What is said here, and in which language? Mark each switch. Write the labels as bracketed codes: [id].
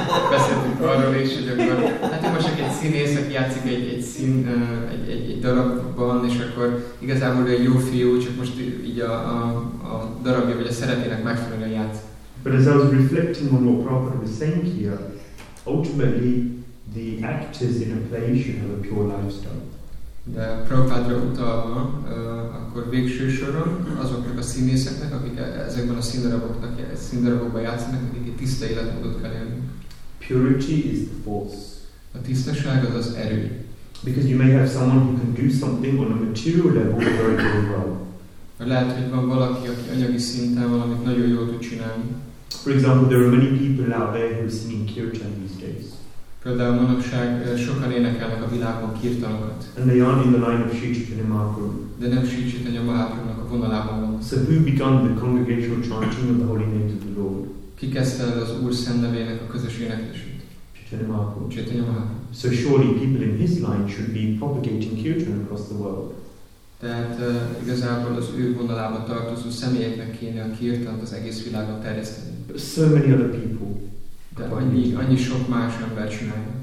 [hu] beszéltünk arról is, hogy akkor, hát ő most egy színész, aki játszik egy darabban, és akkor igazából egy jó fiú, csak most így a darabja, vagy a szerepének megfelelően játsz. [en] But as I was reflecting on what Prabhupada was saying here, ultimately the actors in a play should have a pure lifestyle. [hu] De Prabhupada utalva, akkor végső soron azoknak a színészeknek, akik ezekben a színdarabokban játszanak, akik egy tiszta életmódot kell élni. [en] Purity is the force. [hu] A tisztaság az az erő. [en] Because you may have someone who can do something on a material level very, very well. [hu] Lehet, hogy van valaki, aki anyagi szinten valamit nagyon jól tud csinálni. [en] For example, there are many people out there who are singing kirtan these days. [hu] Például manapság sokan énekelnek a világon kirtanokat. [en] And they aren't in the line of Sri Chaitanya Mahaprabhu. [hu] De nem Sri Chaitanya Mahaprabhu-nak a vonalában van. [en] So who began the congregational chanting of the holy names of the Lord? [hu] Ki kezdte el az Úr Szent nevének a közös éneklését? [en] Sri Chaitanya Mahaprabhu. So surely people in his line should be propagating kirtan across the world. [hu] Tehát igazából az ő vonalába tartozó személyeknek kéne a kirtant az egész világon terjeszteni. [en] So many other people. [hu] De annyi sok más ember csinálja.